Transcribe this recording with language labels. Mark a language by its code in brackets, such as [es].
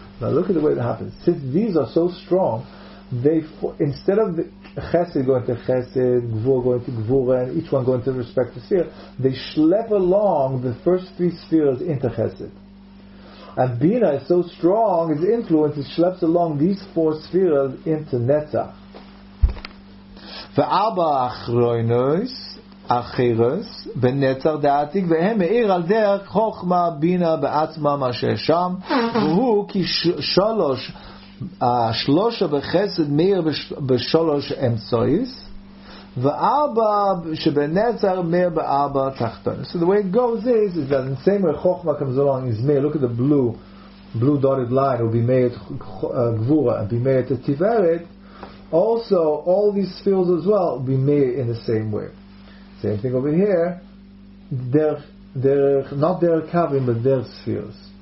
[en] Now look at the way it happens. Since these are so strong, they instead of the chesed going to chesed, gvur going to gvur, and each one going to the respective sphere, they schlep along the first three spheres into chesed. And bina is so strong, its influence, it schleps along these four spheres into netzach. [he] וארבע אחרונות, אחרות, בנצח דעתיק, והם מאיר על דרך חוכמה בינה בעצמה מה ששם, והוא כי שלוש, שלושה בחסד מאיר בשלוש אמצעיס, וארבע שבנצח מאיר בארבע תחתון. [en] So the way it goes is that in the same way חוכמה comes along is מאיר, look at the blue dotted line, will be made גבורה, and be made the תיברת, also, all these fields as well will be made in the same way. Same thing over here. Not their cabin, but their spheres.